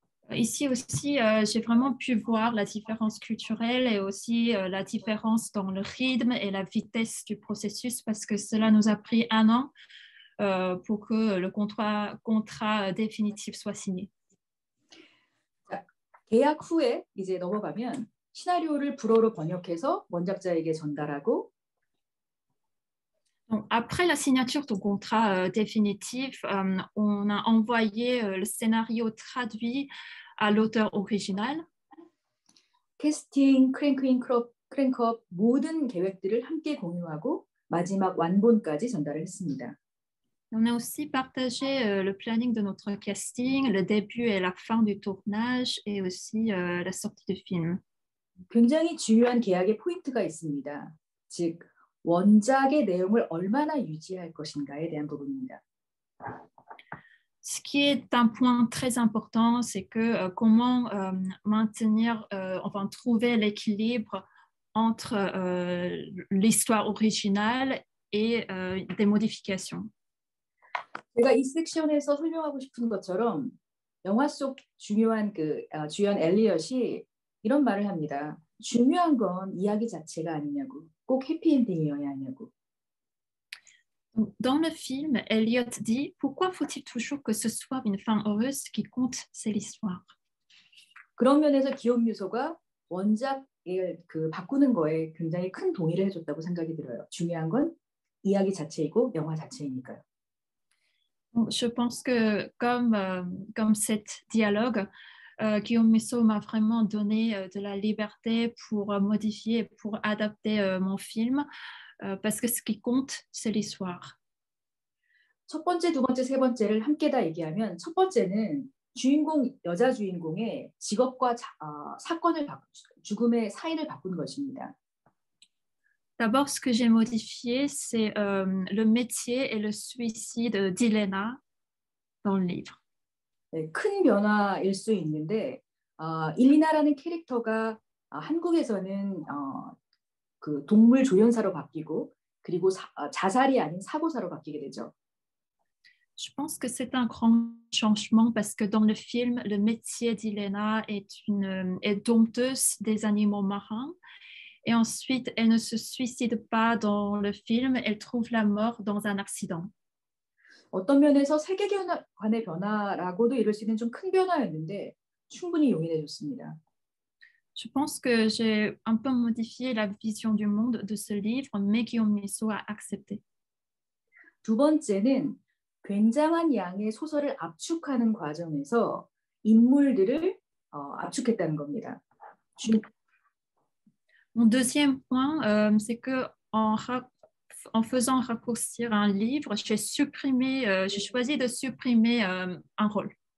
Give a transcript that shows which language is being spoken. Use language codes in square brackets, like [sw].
[fr] Ici aussi, j'ai vraiment pu voir la différence culturelle et aussi la différence dans le rythme et la vitesse du processus parce que cela nous a pris un an pour que le contrat définitif soit signé. [ko] 자, 계약 후에 이제 넘어가면 시나리오를 불어로 번역해서 원작자에게 전달하고 [fr] Donc après la signature du contrat définitif, on a envoyé le scénario traduit à l'auteur original. [ko] 캐스팅, 크랭크업 모든 계획들을 함께 공유하고 마지막 완본까지 전달을 했습니다. [fr] On a aussi partagé le planning de notre casting, le début et la fin du tournage et aussi la sortie du film. [ko] 굉장히 중요한 계약의 포인트가 있습니다. 즉 원작의 내용을 얼마나 유지할 것인가에 대한 부분입니다. [fr] Ce qui est un point très important, c'est que comment maintenir, enfin trouver l'équilibre entre l'histoire originale et des modifications. [ko] 제가 이 섹션에서 설명하고 싶은 것처럼 영화 속 중요한 그 주연 엘리엇이 이런 말을 합니다. 중요한 건 이야기 자체가 아니냐고, 꼭 해피엔딩이어야 하냐고. [fr] Dans le film, Elliot dit pourquoi faut-il toujours que ce soit une fin heureuse qui compte, c'est l'histoire. [ko] 그런 면에서 기욤 미소가 원작을 그 바꾸는 거에 굉장히 큰 동의를 해줬다고 생각이 들어요. 중요한 건 이야기 자체이고 영화 자체이니까요. [fr] Je pense que comme cet dialogue Guillaume Musso m'a vraiment donné de la liberté pour modifier, pour adapter mon film. parce que ce qui compte, c'est l'histoire. [ko] 첫 번째, 두 번째, 세 번째를 함께 다 얘기하면 첫 번째는 주인공, 여자 주인공의 직업과 사건을 죽음의 사인을 바꾼 것입니다. [fr] D'abord, ce que j'ai modifié, c'est le métier et le suicide d'Elena dans le livre. [ko] 네, 큰 변화일 수 있는데 일리나라는 캐릭터가 한국에서는 그 동물 조연사로 바뀌고 그리고 자살이 아닌 사고사로 바뀌게 되죠. [fr] Je pense que c'est un grand changement parce que dans le film, le métier d'Elena est dompteuse des animaux marins. Et ensuite, elle ne se suicide pas dans le film, elle trouve la mort dans un accident. [ko] 어떤 면에서 세계관의 변화라고도 이룰 수 있는 좀 큰 변화였는데 충분히 용인해 줬습니다. [fr] Je pense que j'ai un peu modifié la vision du monde de ce livre, mais Guillaume Meissot a accepté. [ko] 두 번째는 굉장한 양의 소설을 압축하는 과정에서 인물들을 압축했다는 겁니다. [fr] Mon deuxième point, c'est que en faisant raccourcir un livre, j'ai choisi de supprimer un rôle.